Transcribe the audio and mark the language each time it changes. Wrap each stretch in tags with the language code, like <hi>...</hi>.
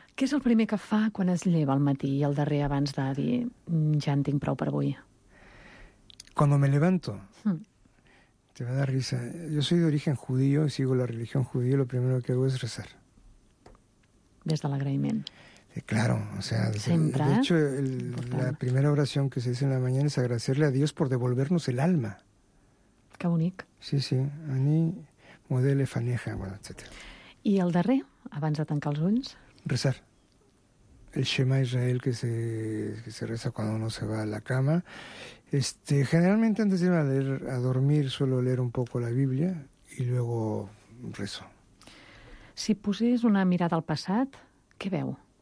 <ca>Què és el primer que fa quan es lleva al matí i el darrer abans de dir, ja en tinc prou per avui?</ca> <es>Cuando me levanto. Te va a dar risa. Yo soy de origen judío y sigo la religión judía. Lo primero que hago es rezar. Desde el agradecimiento. Claro, o sea, siempre, de hecho, la primera oración que se dice en la mañana es agradecerle a Dios por devolvernos el alma. Qué bonito. Sí, sí.</es> <he>Ani, modele, faneja,</he> <es>bueno, etc.</es> <ca>¿Y el darrer, abans de tancar els ulls?</ca> <es>Rezar. El Shema Israel que se reza cuando uno se va a la cama. Generalmente antes de ir a dormir suelo leer un poco la Biblia y luego rezo.</es> <ca>Si posés una mirada al passat, què veu?</ca>